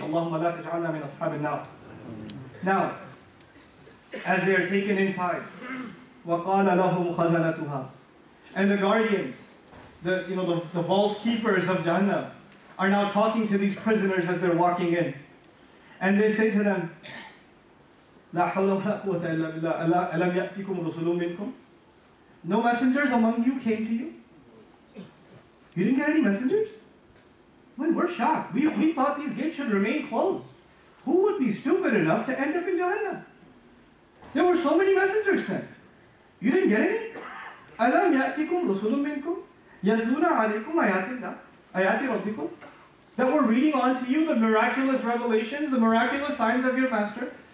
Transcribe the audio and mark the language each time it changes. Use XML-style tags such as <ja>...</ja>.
<ar>Allahumma la taj'alna min ashabin nar.</ar> <en>Now, as they are taken inside,</en> <ar>وَقَالَ لَهُمْ خَزَنَتُهَا,</ar> <en>and the guardians, the vault keepers of Jahannam, are now talking to these prisoners as they're walking in. And they say to them,</en> <ar>لا حول ولا قوة إلا بالله ألم يأتيكم رسل منكم.</ar> <en>No messengers among you came to you? You didn't get any messengers? Man, we're shocked. We thought these gates should remain closed. Who would be stupid enough to end up in Jahannam? There were so many messengers sent. You didn't get any?</en> <ar>ألم يأتيكم رسل منكم يدلون عليكم آيات الله آيات ربكم,</ar> <en>that we're reading on to you the miraculous revelations, the miraculous signs of your master.</en>